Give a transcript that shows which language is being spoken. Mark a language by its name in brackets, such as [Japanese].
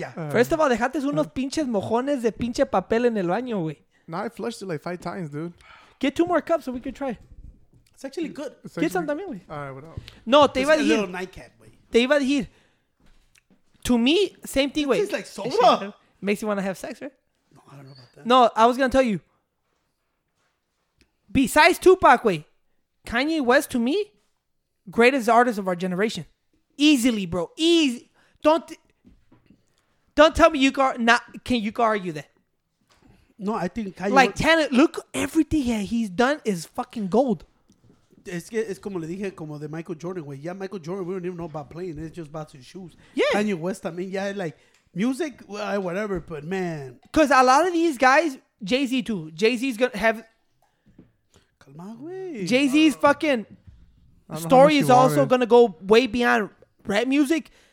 [Spanish] First of all, dejate unos pinches mojones de pinche papel en el baño, güey. [English] Nah, I flushed it like 5 times, dude. Get 2 more cups so we can try. It's actually good. Get some también, güey. All right, what [Spanish] else? No, te iba a decir. [English] A little nightcap, güey. [Spanish] Te iba a decir. [English] To me, same thing, [Spanish] güey. [English] It's like soda. Makes you want to have sex, right? No, I don't know about that. No, I was going to tell you. Besides Tupac, güey, Kanye West, to me, greatest artist of our generation. Easily, bro. Easy. Don't tell me you can argue that. No, I think Kanye. Like talent, look, everything that he's done is fucking gold. [Spanish] Es que es como le dije, como de Michael Jordan, güey. [English] Yeah, Michael Jordan, we don't even know about playing. It's just about his shoes. Yeah, Kanye West, I mean, yeah, like music, whatever. But man, because a lot of these guys, Jay-Z too. Jay-Z's gonna have. [Spanish] Calma, güey. [English] Jay-Z's fucking story is also gonna go way beyond rap music.